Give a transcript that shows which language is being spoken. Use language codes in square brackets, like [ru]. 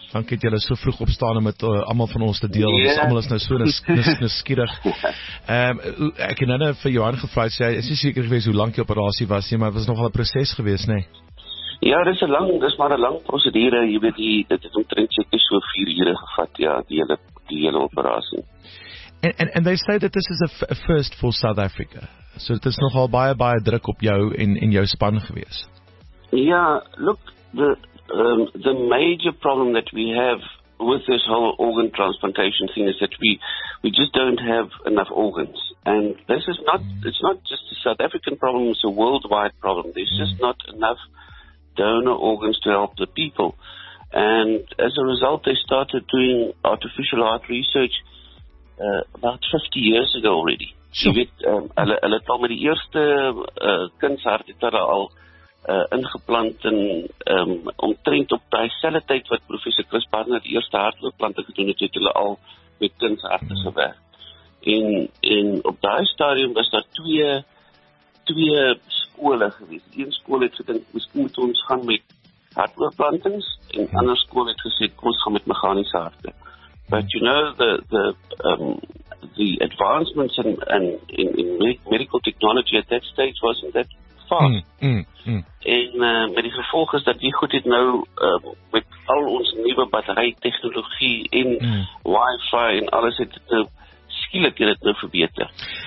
[af] Dankie dat julle so vroeg opstaan om met almal van ons te deel. Yeah. Ons almal is nou so nuuskierig. Ek het nou vir Johan gevra, sê hy, is nie seker geweest hoe lank die operasie was nie, maar het was nogal 'n proses geweest, nê? Ja, dis maar 'n lang prosedure, jy weet, dit het omtrent seker so 4 ure gevat, ja, die hele operasie. [en] And they say that this is a first for South Africa. [af] So dit is nogal baie baie druk op jou en jou span geweest. [en] Ja, look, the major problem that we have with this whole organ transplantation thing is that we just don't have enough organs. And this is not, it's not just a South African problem, it's a worldwide problem. There's just not enough donor organs to help the people. And as a result, they started doing artificial heart research about 50 years ago already. Sure. [af] Hulle het al met die eerste kindshart het al ingeplant en omtrent op dieselfde tyd wat professor Chris Barnard die eerste hartoortplante gedoen het, het hulle al met kunsarte gewerk. En op daai stadium was daar twee skole gewees. Een skool het gedink, miskien moet ons gaan met hartoortplantings en ander skool het gesê ons gaan met meganiese harte. [en] But you know the advancements in medical technology at that stage wasn't that fast. [af] En met die gevolg is dat die goed het nou met al ons nuwe battery tegnologie en wifi en alles het nou skielik het dit nou verbeter.